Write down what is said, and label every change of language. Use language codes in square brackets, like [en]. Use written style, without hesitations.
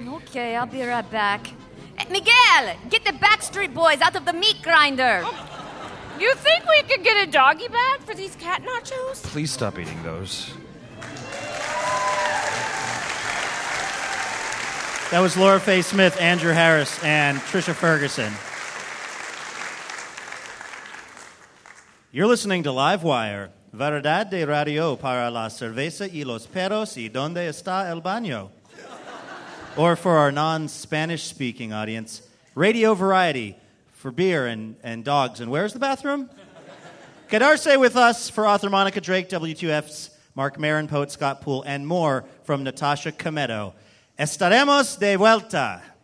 [en] Okay, I'll be right back. Miguel, get the Backstreet Boys out of the meat grinder. You think we could get a doggy bag for these cat nachos? Please stop eating those. That was Laura Faye Smith, Andrew Harris, and Trisha Ferguson. You're listening to Live Wire, [es] Verdad de Radio para la cerveza y los perros y donde está el baño. [en] Or for our non-Spanish-speaking audience, radio variety for beer and dogs. And where's the bathroom? [es] Quedarse [en] with us for author Monica Drake, W2F's Mark Maron, poet Scott Poole, and more from Natasha Cometto. [es] Estaremos de vuelta.